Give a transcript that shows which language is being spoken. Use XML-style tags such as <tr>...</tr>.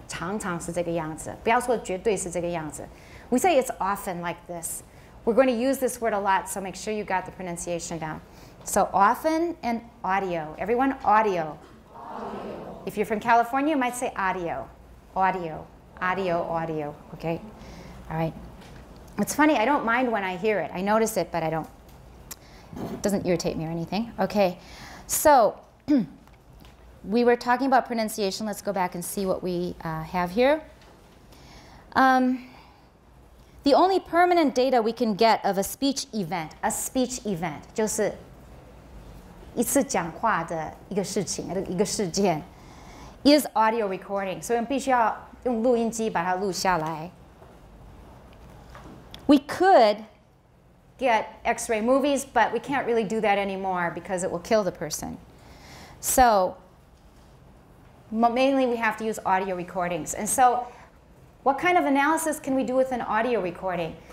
<zh>常常是这个样子,不要说绝对是这个样子.</zh> <en>We say it's often like this. We're going to use this word a lot, so make sure you got the pronunciation down. So often and audio. Everyone, audio. Audio. If you're from California, you might say audio. Audio. Audio, audio. Okay? All right. It's funny, I don't mind when I hear it. I notice it, but I don't. It doesn't irritate me or anything. Okay. So we were talking about pronunciation. Let's go back and see what we have here. The only permanent data we can get of a speech event,</en> <zh>就是一次讲话的一个事情,一个事件,</zh> <en>is audio recording.</en> <zh>所以我们必须要用录音机把它录下来.</zh> <en>We could get x-ray movies, but we can't really do that anymore because it will kill the person. So mainly we have to use audio recordings. And so what kind of analysis can we do with an audio recording?</en>